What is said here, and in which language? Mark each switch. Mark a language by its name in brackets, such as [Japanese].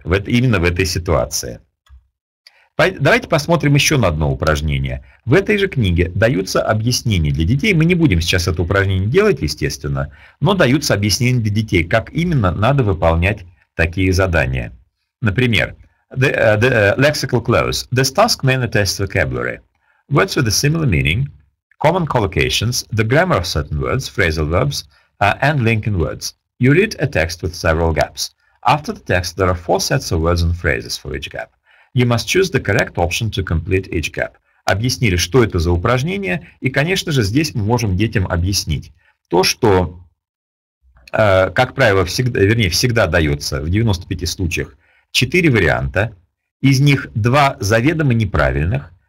[Russian] Именно в этой ситуации. Давайте посмотрим еще на одно упражнение. В этой же книге даются объяснения для детей. Мы не будем сейчас это упражнение делать, естественно, но даются объяснения для детей, как именно надо выполнять такие задания. Например, [English] the lexical close. This task mainly tests vocabulary. Words with a similar meaning, common collocations, the grammar of certain words, phrasal verbs, and linking words. You read a text with several gaps. After the text, there are four sets of words and phrases for each gap. You must choose the correct option to complete each gap. [Russian] Объяснили, что это за упражнение, и, конечно же, здесь мы можем детям объяснить то, что, как правило, всегда дается в 95 случаях, четыре варианта, из них два заведомо неправильных.